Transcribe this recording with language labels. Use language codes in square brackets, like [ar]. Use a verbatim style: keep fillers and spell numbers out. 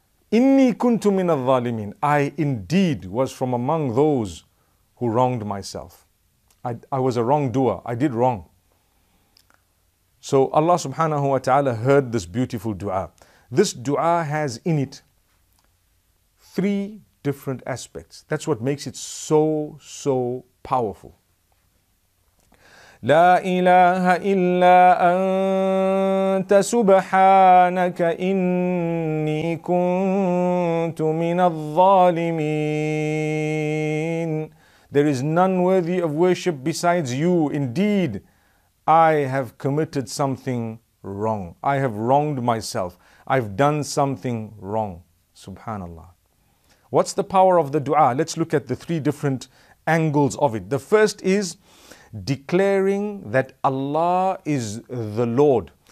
[ar] Inni kuntu min al-zalimin. [en] I indeed was from among those who wronged myself. I, I was a wrongdoer. I did wrong. So Allah subhanahu wa ta'ala heard this beautiful dua. This dua has in it three different aspects. That's what makes it so, so powerful. [ar] لا إله إلا أنت سبحانك إني كنت من الظالمين. [en] There is none worthy of worship besides you. Indeed, I have committed something wrong. I have wronged myself. I've done something wrong. Subhanallah. What's the power of the dua? Let's look at the three different angles of it. The first is declaring that Allah is the Lord.